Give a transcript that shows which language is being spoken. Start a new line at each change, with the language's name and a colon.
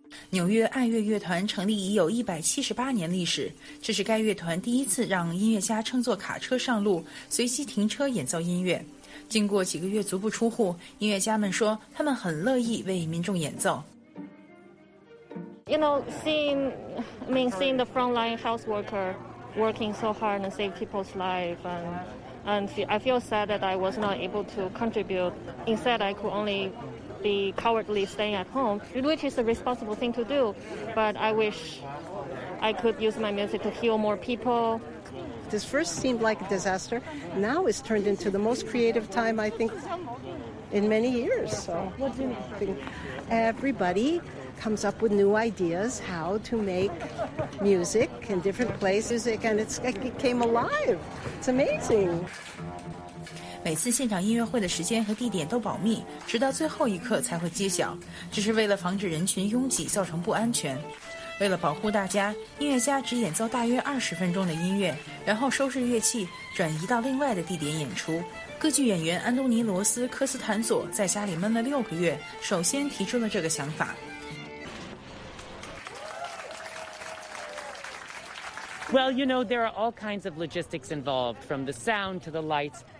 Chinese: 纽约爱乐乐团成立已有178年历史，这是该乐团第一次让音乐家乘坐卡车上路，随机停车演奏音乐。经过几个月足不出户，音乐家们说他们很乐意为民众演奏。
English: You know, seeing the frontline health worker working so hard and save people's life, and I feel sad that I was not able to contribute. Instead, I could only. Be cowardly staying at home, which is a responsible thing to do. But I wish I could use my music to heal more people. This first seemed like a disaster. Now it's turned into the most creative time, I think, in many years. So everybody comes up with new ideas how to make music in different places. And it came alive. It's amazing.
Chinese: 每次现场音乐会的时间和地点都保密，直到最后一刻才会揭晓，这是为了防止人群拥挤造成不安全。为了保护大家，音乐家只演奏大约20分钟的音乐，然后收拾乐器转移到另外的地点演出。歌剧演员安东尼·罗斯·科斯坦佐在家里闷了6个月，首先提出了这个想法。
English: Well, you know, there are all kinds of logistics involved, from the sound to the lights.